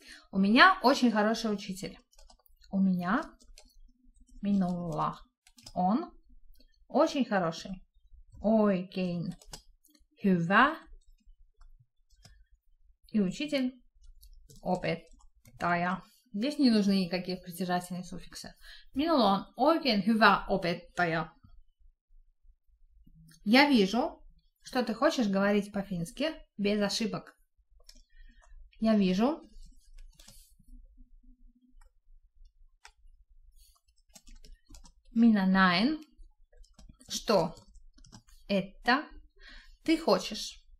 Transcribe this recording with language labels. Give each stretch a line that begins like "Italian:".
Russian: У меня очень хороший учитель. У меня minulla on очень хороший.
Finnish: Oikein. Hyvä.
Russian: И учитель opettaja. Здесь не нужны никакие притяжательные суффиксы.
Finnish: Minulla on oikein hyvä opettaja.
Russian: Я вижу, что ты хочешь говорить по-фински без ошибок. Я вижу,
Finnish: minä näen,
Russian: что это ты хочешь.